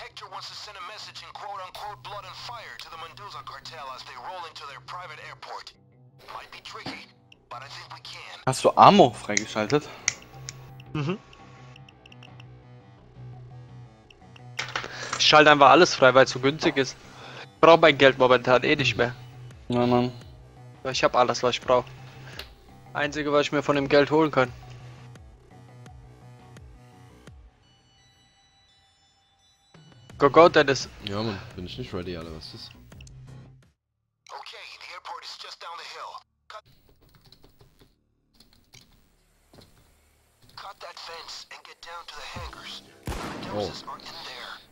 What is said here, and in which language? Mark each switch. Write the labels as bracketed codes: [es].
[en] Wants to send a message in quote-unquote blood and fire to the Mendoza cartel as they roll into their private airport. Might be tricky, but I think we can. [de] Hast du Ammo freigeschaltet? Mhm. Ich schalte einfach alles frei, weil es so günstig ist. Ich brauche mein Geld momentan eh nicht mehr. Ja, Mann. Ich habe alles, was ich brauche. Einzige, was ich mir von dem Geld holen kann. [en] Go, Dennis. [de] Ja, man, bin ich nicht ready, Alter, was ist das? [en] Okay, the airport is just down the hill. Cut that fence and get down to the hangars. The doses aren't in there.